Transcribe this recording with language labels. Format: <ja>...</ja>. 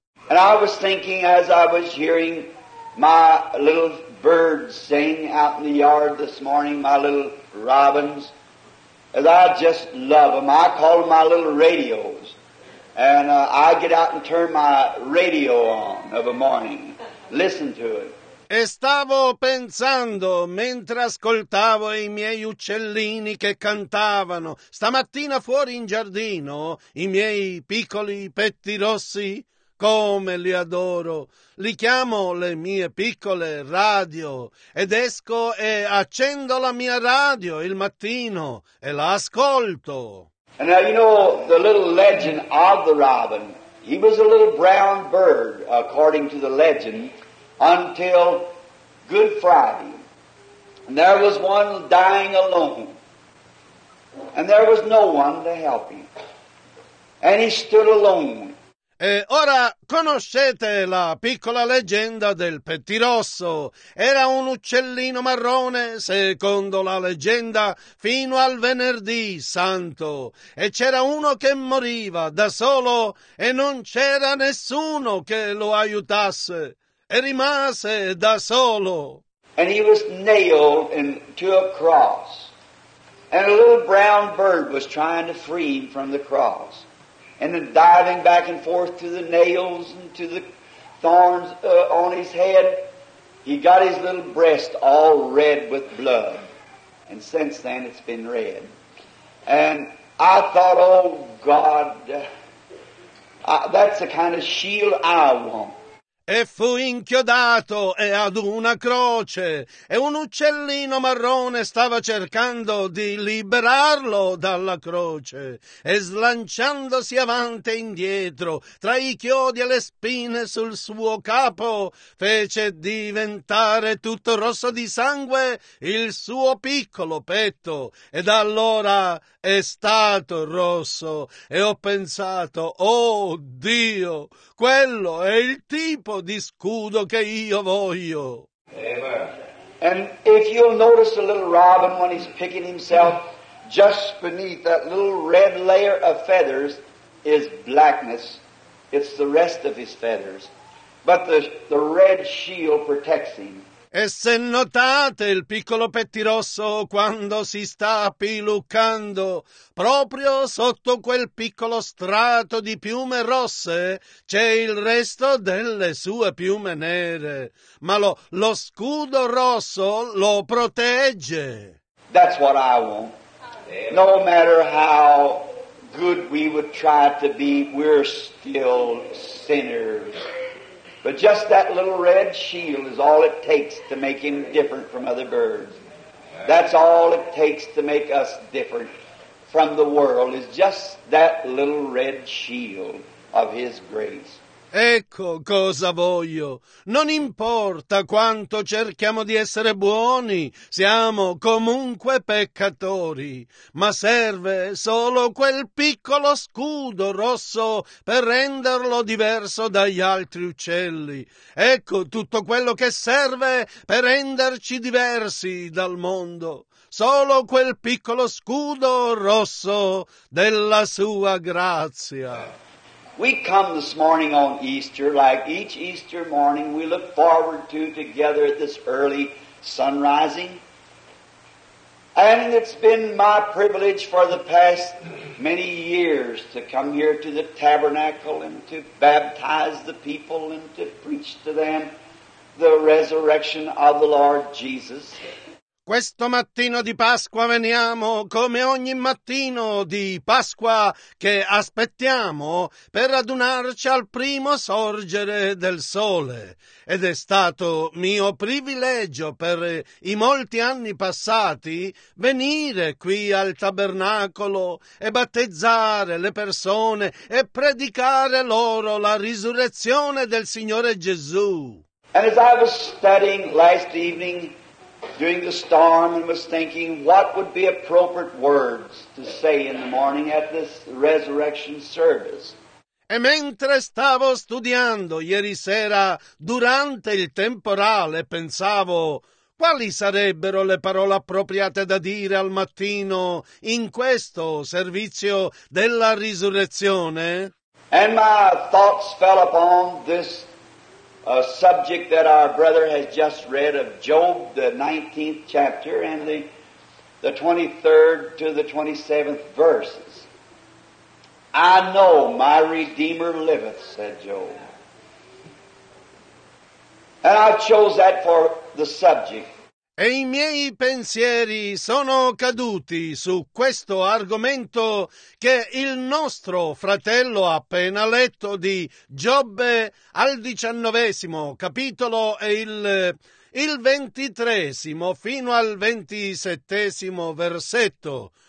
<en>And I was thinking as I was hearing my little birds sing out in the yard this morning, my little robins, as I just love them. I call them my little radios. And I get out and turn my radio on of a morning, listen to it.</en> <it>E stavo pensando, mentre ascoltavo i miei uccellini che cantavano, stamattina fuori in giardino, i miei piccoli petti rossi, come li adoro, li chiamo le mie piccole radio ed esco e accendo la mia radio il mattino e la ascolto.</it> <en>And now you know the little legend of the robin. He was a little brown bird, according to the legend, until Good Friday. And there was one dying alone. And there was no one to help him. And he stood alone.</en> <it>E ora conoscete la piccola leggenda del pettirosso. Era un uccellino marrone, secondo la leggenda, fino al venerdì santo. E c'era uno che moriva da solo e non c'era nessuno che lo aiutasse. E rimase da solo.</it> <en>And he was nailed into a cross. And a little brown bird was trying to free him from the cross. And then diving back and forth to the nails and to the thorns on his head, he got his little breast all red with blood. And since then it's been red. And I thought, oh God, that's the kind of shield I want.</en> <it>E fu inchiodato e ad una croce, e un uccellino marrone stava cercando di liberarlo dalla croce, e slanciandosi avanti e indietro, tra i chiodi e le spine sul suo capo, fece diventare tutto rosso di sangue il suo piccolo petto, e da allora è stato rosso, e ho pensato, oh Dio, quello è il tipo di scudo che io voglio.</it> <en>And if you'll notice a little robin when he's picking himself, just beneath that little red layer of feathers is blackness. It's the rest of his feathers. But the red shield protects him.</en> <it>E se notate il piccolo pettirosso quando si sta piluccando, proprio sotto quel piccolo strato di piume rosse c'è il resto delle sue piume nere. Ma lo scudo rosso lo protegge.</it> <en>That's what I want. No matter how good we would try to be, we're still sinners. But just that little red shield is all it takes to make him different from other birds. That's all it takes to make us different from the world, is just that little red shield of his grace.</en> <it>Ecco cosa voglio. Non importa quanto cerchiamo di essere buoni, siamo comunque peccatori. Ma serve solo quel piccolo scudo rosso per renderlo diverso dagli altri uccelli. Ecco tutto quello che serve per renderci diversi dal mondo. Solo quel piccolo scudo rosso della sua grazia.</it> <en>We come this morning on Easter, like each Easter morning we look forward to together at this early sunrising. And it's been my privilege for the past many years to come here to the tabernacle and to baptize the people and to preach to them the resurrection of the Lord Jesus.</en> <it>Questo mattino di Pasqua veniamo, come ogni mattino di Pasqua che aspettiamo, per radunarci al primo sorgere del sole. Ed è stato mio privilegio per i molti anni passati venire qui al tabernacolo e battezzare le persone e predicare loro la risurrezione del Signore Gesù.</it> <en>And as I was studying last evening, during the storm, and was thinking what would be appropriate words to say in the morning at this resurrection service.</en> <it>E mentre stavo studiando ieri sera durante il temporale, pensavo quali sarebbero le parole appropriate da dire al mattino in questo servizio della risurrezione.</it> <en>And my thoughts fell upon this a subject that our brother has just read of Job, the 19th chapter, and the 23rd to the 27th verses. I know my Redeemer liveth, said Job. And I chose that for the subject.</en> <it>E i miei pensieri sono caduti su questo argomento che il nostro fratello ha appena letto di Giobbe al 19° capitolo e il 23° fino al 27° versetto.</it>